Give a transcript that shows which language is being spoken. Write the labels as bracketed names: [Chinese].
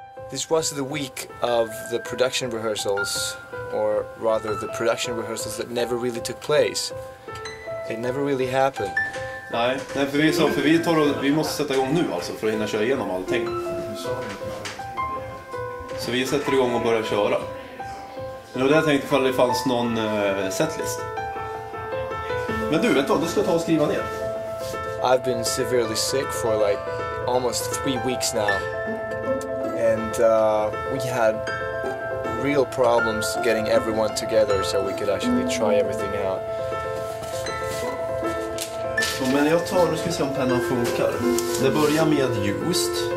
[English] This was the week of the production rehearsals, or rather the production rehearsals that never really took place. It never really happened. [Swedish] Nej, för vi så för vi tar och, vi måste sätta igång nu alltså för att hinna köra igenom allting. Så vi sätter igång och börjar köra. Men då jag tänkte ifall det fanns någon setlist. Men du vet vad, då ska jag ta och skriva ner. [English] I've been severely sick for like almost 3 weeks now. And we had real problems getting everyone together so we could actually try everything out. [Swedish] Men jag tar, nu ska vi se om pennan funkar. Det börjar med just.